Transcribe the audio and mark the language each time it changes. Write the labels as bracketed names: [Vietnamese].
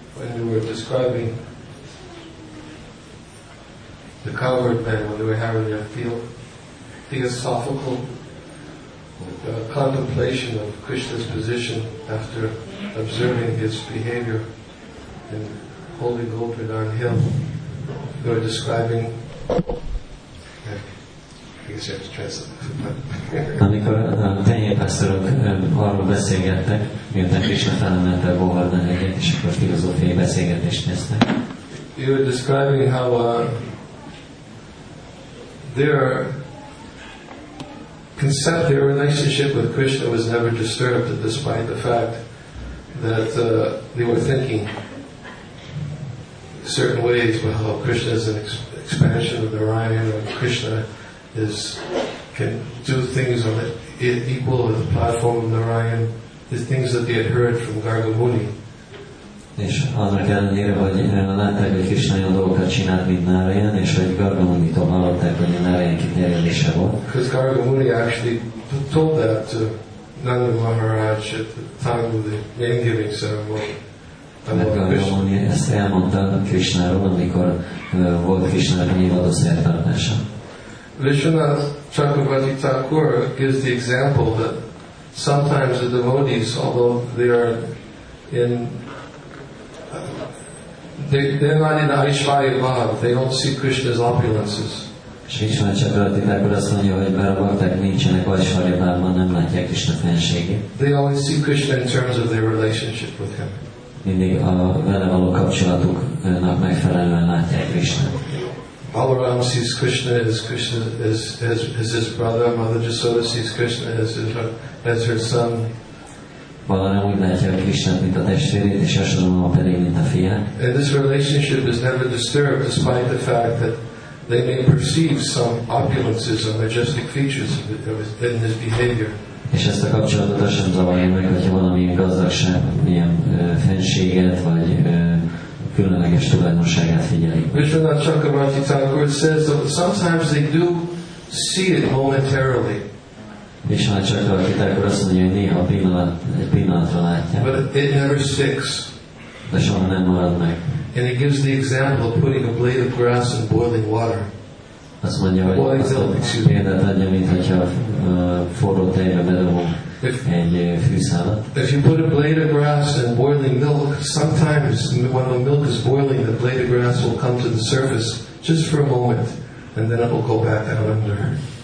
[English] when they were describing the cowherd men, when they were having their theosophical contemplation of Krishna's position after observing his behavior in holy Govardhan Hill, they were describing. [Hungarian] Amikor a tenyérpásztorok arról beszélgettek, miután Krisna felemelte a Govardhan hegyet, és akkor filozófiai beszélgetést néztek. [English] You were describing how their concept, their relationship with Krishna was never disturbed, despite the fact that they were thinking certain ways, well, Krishna is an expansion of Narayana, and Krishna is can do things on it equal with the platform of Narayan, the things that they had heard from Garga Muni. [Hungarian] És annak ellenére, hogy látták, hogy Krishna olyan dolgokat csinált, mint Narayan, és hogy Garga Muni-tól hallották, hogy a Narayan kiterjedése volt. [English] Because Garga Muni actually told that to Nanda Maharaj at the time of the name giving ceremony. [Hungarian] Mert Garga Muni ezt elmondta Krishnáról, amikor volt Krishna névadó szertartása. [English] Vishwanath Chakravarti Thakur gives the example that sometimes the devotees, although they are in, they're not in Aishvarya Bhava, they don't see Krishna's opulences. [Hungarian] Vishwanath Chakravarti Thakur azt mondja, hogy bár a bhakták nincsenek Aishvarya Bhavában, nem látják Krishna fenségét. [English] They only see Krishna in terms of their relationship with him. [Hungarian] Mindig a vele való kapcsolatuknak megfelelően látják Krishnát. [English] Balaram sees Krishna as Krishna as his brother. Mother Jasoda sees Krishna as her son. [Hungarian] Balaram úgy látja Krishna, mint a testvérét, és Jasoda pedig, mint a fiát. [English] And this relationship is never disturbed, despite the fact that they may perceive some opulences or majestic features in his behavior. [Hungarian] És ezt a kapcsolatot sem zavarja meg, hogy valami gazdagság, milyen fenséget vagy különleges tulajdonságát figyelik. [English] Vishwanath Chakravarti Thakur says that sometimes they do see it momentarily. [Hungarian] Vishwanath Chakravarti Thakur azt mondja, hogy néha pillanatra látja. [English] But it never sticks. [Hungarian] De soha nem marad meg. [English] And he gives the example of putting a blade of grass in boiling water. [Hungarian] Azt mondja, hogy példát adja, mintha forró tejbe bedobom. [English] If you put a blade of grass in boiling milk, sometimes when the milk is boiling, the blade of grass will come to the surface just for a moment, and then it will go back out under.